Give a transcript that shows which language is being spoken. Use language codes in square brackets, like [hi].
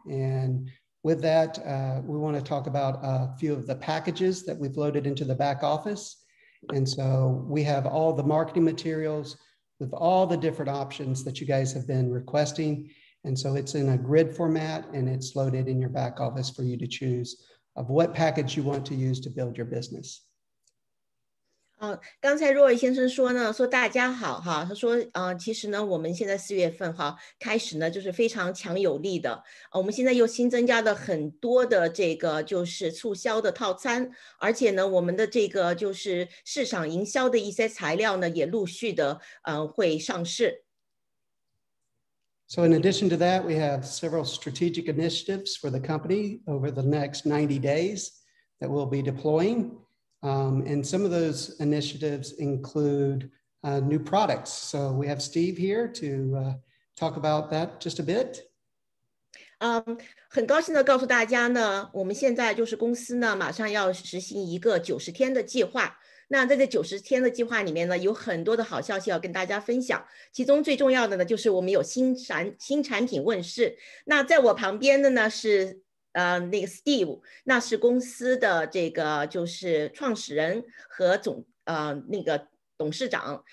[en] And with that, we want to talk about a few of the packages that we've loaded into the back office. And so we have all the marketing materials with all the different options that you guys have been requesting. And so it's in a grid format and it's loaded in your back office for you to choose of what package you want to use to build your business. [zh] 刚才 Roy 先生说呢，说大家好哈，他说，其实呢，我们现在4月份哈开始呢，就是非常强有力的，我们现在又新增加了很多的这个就是促销的套餐，而且呢，我们的这个就是市场营销的一些材料呢，也陆续的会上市。 [en] So, in addition to that, we have several strategic initiatives for the company over the next 90 days that we'll be deploying. And some of those initiatives include new products. So, we have Steve here to talk about that just a bit. [zh] 很高兴地告诉大家呢，我们现在就是公司呢，马上要实行一个90天的计划。那在这90天的计划里面呢，有很多的好消息要跟大家分享。其中最重要的呢，就是我们有新产品问世。那在我旁边的呢是那个 Steve，那是公司的这个就是创始人和那个董事长。